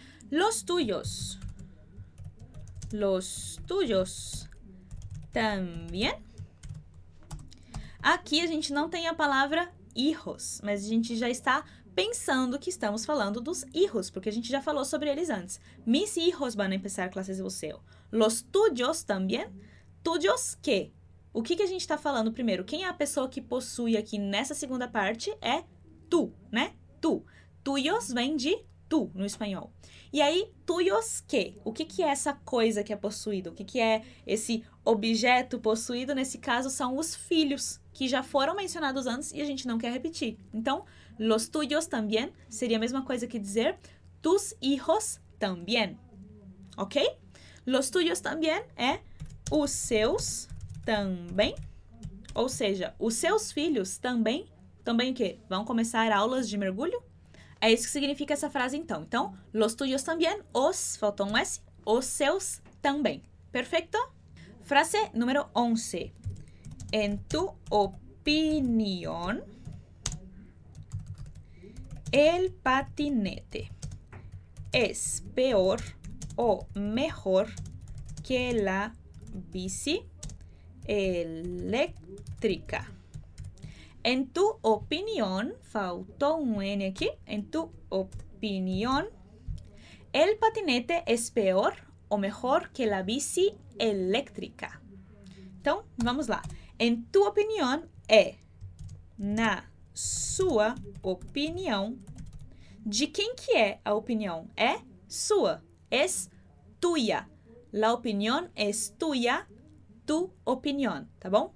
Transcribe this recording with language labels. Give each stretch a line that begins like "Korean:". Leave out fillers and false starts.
Spanish: Los tuyos. Los tuyos también.
Portuguese: Aqui a gente não tem a palavra hijos, mas a gente já está pensando que estamos falando dos hijos, porque a gente já falou sobre eles antes.
Spanish: Mis hijos van a empezar clases de buceo. Los tuyos también. Tuyos que?
Portuguese: O que, que a gente está falando primeiro? Quem é a pessoa que possui aqui nessa segunda parte é tu, né? Tu. Tuyos vem de tu no espanhol. E aí, tuyos que? O que, que é essa coisa que é possuído? O que, que é esse objeto possuído? Nesse caso, são os filhos, que já foram mencionados antes e a gente não quer repetir. Então,
Spanish: los tuyos también
Portuguese: seria a mesma coisa que dizer
Spanish: tus hijos también.
Portuguese: Ok?
Spanish: Los tuyos también
Portuguese: é os seus também. Ou seja, os seus filhos também. Também o quê? Vão começar aulas de mergulho? É isso que significa essa frase então. Então,
Spanish: los tuyos también,
Portuguese: os, faltou um S, os seus também. Perfeito? Frase número 11.
Spanish: En tu opinión, el patinete es peor o mejor que la bici eléctrica. En tu opinión, faltó un N aquí, en tu opinión, el patinete es peor o mejor que la bici eléctrica.
Portuguese: Então, vamos lá.
Spanish: En tu opinión,
Portuguese: é na sua opinião. De quem que é a opinião? É sua.
Spanish: Es tuya. La opinión es tuya. Tu opinión,
Portuguese: tá bom?